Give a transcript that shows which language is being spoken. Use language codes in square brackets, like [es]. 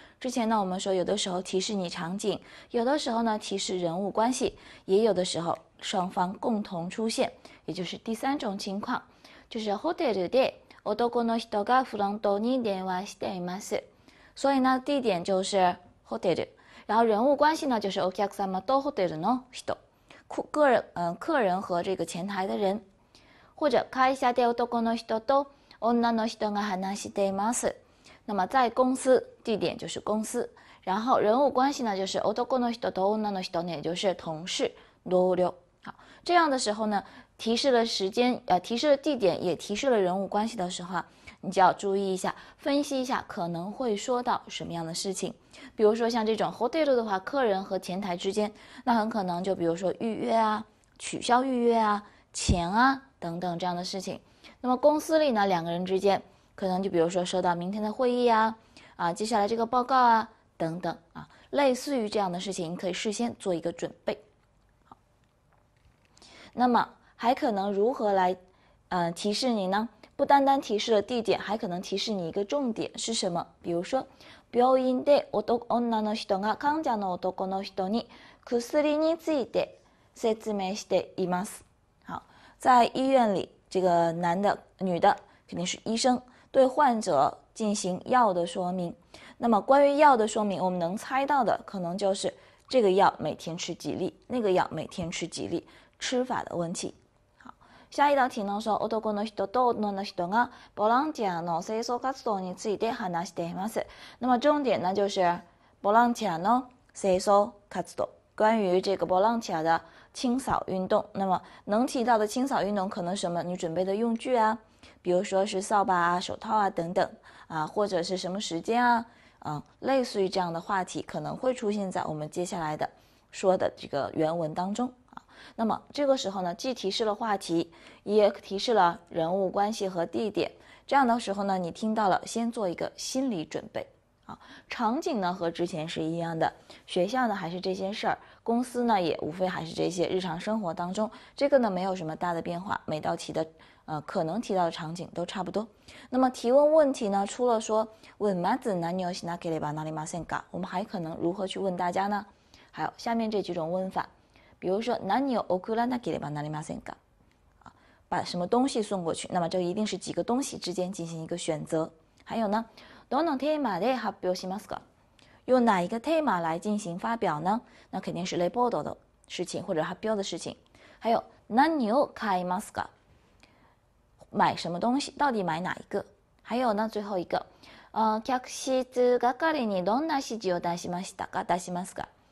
[zh] 之前呢，我们说有的时候提示你场景，有的时候呢提示人物关系，也有的时候双方共同出现，也就是第三种情况，就是 [ja] ホテルで男の人がフロントに電話しています。 [zh] 所以呢，地点就是ホテル，然后人物关系呢就是 [ja] お客様とホテルの人， [zh] 客人和这个前台的人。 [ja] 或者会社で男の人と女の人が話しています。 [zh] 那么在公司，地点就是公司，然后人物关系呢就是 [ja] 男の人と女の人 [zh] 呢，也就是同事同僚。好，这样的时候呢，提示了时间，提示了地点，也提示了人物关系的时候，你就要注意一下，分析一下可能会说到什么样的事情。比如说像这种 hotel 的话，客人和前台之间，那很可能就比如说预约啊、取消预约啊、钱啊等等这样的事情。那么公司里呢，两个人之间可能就比如说收到明天的会议呀，接下来这个报告啊等等啊，类似于这样的事情，你可以事先做一个准备。那么还可能如何来，提示你呢？不单单提示了地点，还可能提示你一个重点是什么？比如说， [ja] 病院で女の人が患者の男の人に薬について説明しています。 [zh] 在医院里，这个男的、女的肯定是医生，对患者进行药的说明。那么关于药的说明，我们能猜到的可能就是这个药每天吃几粒，那个药每天吃几粒，吃法的问题。好，下一道题呢，说 [ja] 男の人と女の人がボランティアの清掃活動について話しています。 [zh] 那么重点呢就是 [ja] ボランティアの清掃活動， [zh] 关于这个 volunteer 的清扫运动。那么能提到的清扫运动可能什么？你准备的用具啊，比如说是扫把啊、手套啊等等啊，或者是什么时间啊，类似于这样的话题可能会出现在我们接下来的说的这个原文当中啊。那么这个时候呢，既提示了话题，也提示了人物关系和地点。这样的时候呢，你听到了，先做一个心理准备。场景呢和之前是一样的，学校呢还是这些事儿，公司呢也无非还是这些，日常生活当中这个呢没有什么大的变化，每道题的可能提到的场景都差不多。那么提问问题呢，除了说问 [ja] まず何をしなければなりませんか， [zh] 我们还可能如何去问大家呢？还有下面这几种问法，比如说 [ja] 何を送らなければなりませんか， [zh] 把什么东西送过去，那么就一定是几个东西之间进行一个选择。还有呢， [ja] どのテーマで発表しますか？ [zh] 用哪一个テーマ来进行发表呢？那肯定是レポート的事情或者発表的事情。还有 [ja] 何を買いますか？ [zh] 买什么东西？到底买哪一个？还有呢，最后一个， [ja] 客室係にどんな指示を出しましたか？出しますか？